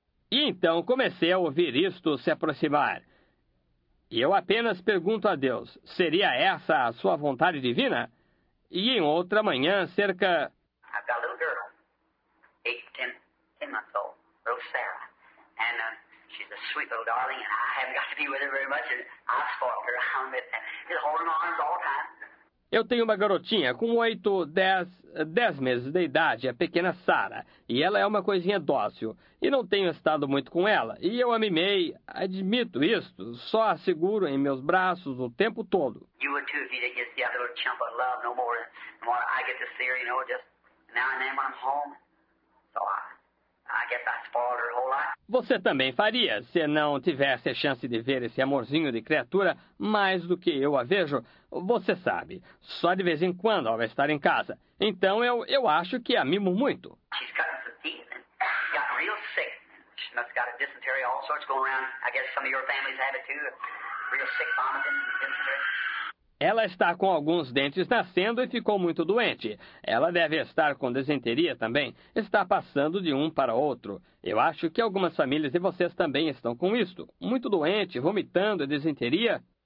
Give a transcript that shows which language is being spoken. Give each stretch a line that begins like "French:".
Portuguese: E então comecei a ouvir isto se aproximar. E eu apenas pergunto a Deus, seria essa a sua vontade divina? E em outra manhã, cerca...
English: I've got a little girl, 8, 10 months old, little Sarah, and... She's a sweet little darling, and I haven't got to be with her very much, and I've spoiled her. I'm just holding her arms all the time.
Portuguese: Eu tenho uma garotinha com 8, 10 meses de idade, a pequena Sarah, e ela é uma coisinha dócil, e não tenho estado muito com ela, e eu a mimei, admito isto, só a seguro em meus braços o tempo todo.
English: You would too if you didn't get the other little chump of love no more than what I get to see her, you know, just now and then when I'm home. So I guess I spoiled her whole life.
Portuguese: Você também faria, se não tivesse a chance de ver esse amorzinho de criatura mais do que eu a vejo. Você sabe, só de vez em quando ao estar em casa. Então eu acho que a mimo muito.
English: She's cutting some teeth and got real sick. She must have got a dysentery, all sorts going around. I guess some of your families have it too. Real sick vomiting and dysentery.
Portuguese: Ela está com alguns dentes nascendo e ficou muito doente. Ela deve estar com desenteria também. Está passando de um para outro. Eu acho que algumas famílias de vocês também estão com isto. Muito doente, vomitando e desenteria.